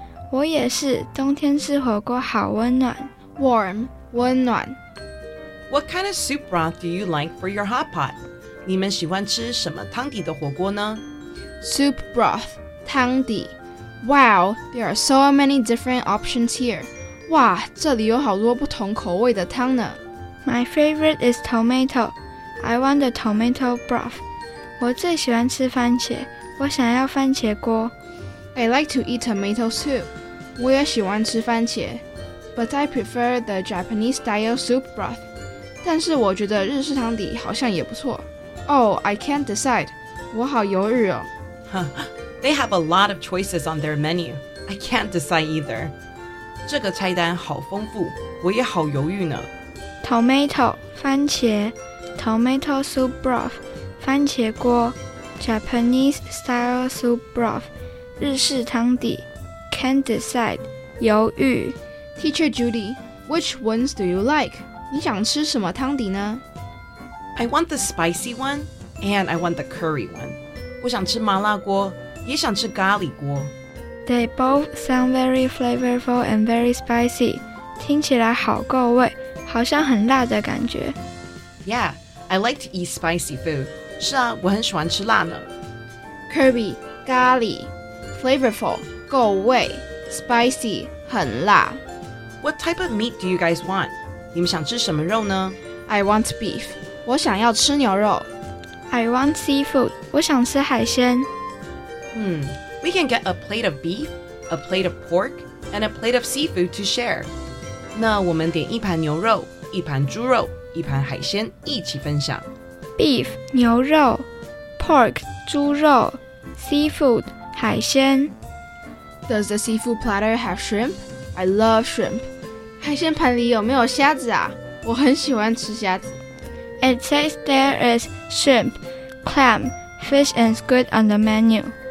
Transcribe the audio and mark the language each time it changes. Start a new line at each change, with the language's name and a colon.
Chinese: 我也是，冬天吃火锅好温暖。
English: Warm,
Chinese: 温暖。
English: What kind of soup broth do you like for your hot pot?
Chinese: 你们喜欢吃什么汤底的火锅呢？
English: Soup broth,
Chinese: 汤底。
English: Wow, there are so many different options here.
Chinese: 哇，这里有好多不同口味的汤呢。
English: My favorite is tomato. I want a tomato broth.
Chinese: 我最喜欢吃番茄，我想要番茄锅。
English: I like to eat tomato soup.
Chinese: 我也喜欢吃番茄。
English: But I prefer the Japanese style soup broth.
Chinese: 但是我觉得日式汤底好像也不错。
English: Oh, I can't decide.
Chinese: 我好犹豫哦。
English: They have a lot of choices on their menu. I can't decide either.
Chinese: 这个菜单好丰富，我也好犹豫呢。
English: Tomato,
Chinese: 番茄
English: Tomato soup broth,
Chinese: 番茄锅
English: Japanese style soup broth,
Chinese: 日式汤底
English: Can't decide,
Chinese: 犹豫
English: Teacher Judy, which ones do you like?
Chinese: 你想吃什么汤底呢？
English: I want the spicy one, and I want the curry one.
Chinese: 我想吃麻辣锅也想吃咖喱锅。
English: They both sound very flavorful and very spicy.
Chinese: 听起来好够味，好像很辣的感觉。
English: Yeah, I like to eat spicy food.
Chinese: 是啊，我很喜欢吃辣呢。
English: Kirby,
Chinese: 咖喱
English: flavorful,
Chinese: 够味
English: spicy,
Chinese: 很辣。
English: What type of meat do you guys want?
Chinese: 你们想吃什么肉呢？
English: I want beef.
Chinese: 我想要吃牛肉。
English: I want seafood.
Chinese: 我想吃海鲜。
English: We can get a plate of beef, a plate of pork, and a plate of seafood to share.
Chinese: 那我们点一盘牛肉，一盘猪肉，一盘海鲜，一起分享。
English: Beef,
Chinese: 牛肉
English: ,pork,
Chinese: 猪肉
English: ,seafood,
Chinese: 海鲜。
English: Does the seafood platter have shrimp? I love shrimp.
Chinese: 海鲜盘里有没有虾子啊？我很喜欢吃虾子。
English: It says there is shrimp, clam, fish and squid on the menu.